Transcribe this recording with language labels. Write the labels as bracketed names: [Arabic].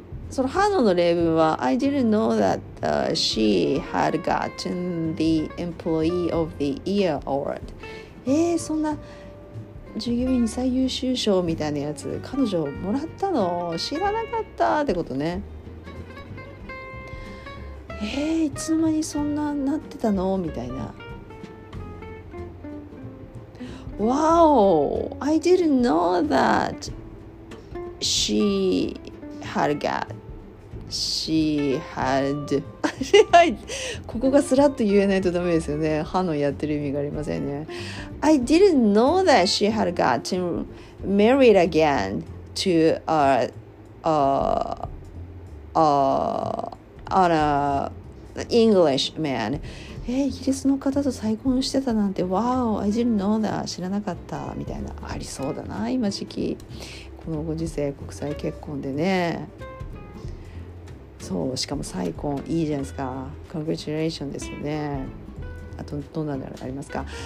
[Japanese] そのハノの例文は、 [English] I didn't know that she had gotten the employee of the year award. [Japanese] そんな従業員最優秀賞みたいなやつ、彼女もらったの知らなかったってことね。いつの間にそんななってたのみたいな。 [English] Wow, I didn't know that she had got, she had. [Japanese] ここがスラッと言えないとダメですよね。歯のやってる意味がありませんね。 [English] I didn't know that she had gotten married again to an English man. [Japanese] イギリスの方と再婚してたなんて、 [English] Wow, I didn't know that. [Japanese] 知らなかったみたいな、ありそうだな今時期、このご時世、国際結婚でね。そう、しかも再婚いいじゃないですか。 Congratulations ですよね。あとどんなのありますか。